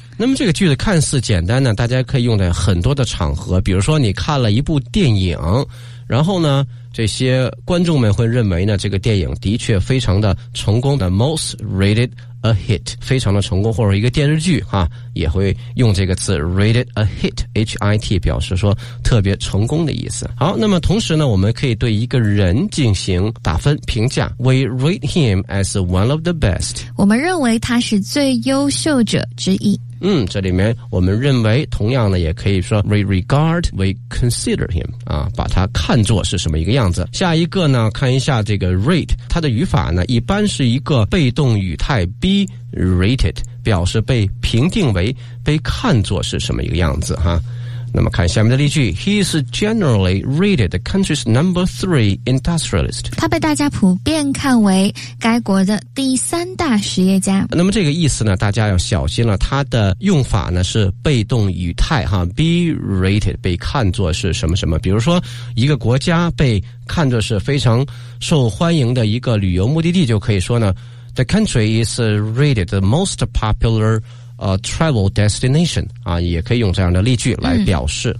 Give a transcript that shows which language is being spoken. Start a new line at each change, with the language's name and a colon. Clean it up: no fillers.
Chinese: 那么这个句子看似简单呢，大家可以用在很多的场合，比如说你看了一部电影，然后呢这些观众们会认为呢这个电影的确非常的成功的
English: most rated a hit,
Chinese: 非常的成功，或者一个电视剧哈、啊、也会用这个词
English: rated a hit,
Chinese: H-I-T, 表示说特别成功的意思。好，那么同时呢我们可以对一个人进行打分评价。
English: We rate him as one of the best.
Chinese: 我们认为他是最优秀者之一。嗯，这里面我们认为同样呢也可以说
English: we regard, we consider him,
Chinese: 啊，把他看作是什么一个样子。下一个呢看一下这个 rate, 它的语法呢一般是一个被动语态
English: be rated,
Chinese: 表示被评定为被看作是什么一个样子哈。那么看下面的例句
English: ,He is generally rated the country's number three industrialist.
Chinese: 他被大家普遍看为该国的第三大实业家。那么这个意思呢大家要小心了，他的用法呢是被动语态哈 ,
English: be rated,
Chinese: 被看作是什么什么。比如说一个国家被看作是非常受欢迎的一个旅游目的地，就可以说呢 ,
English: the country is rated the most popular travel destination,
Chinese: 啊，也可以用这样的例句来表示。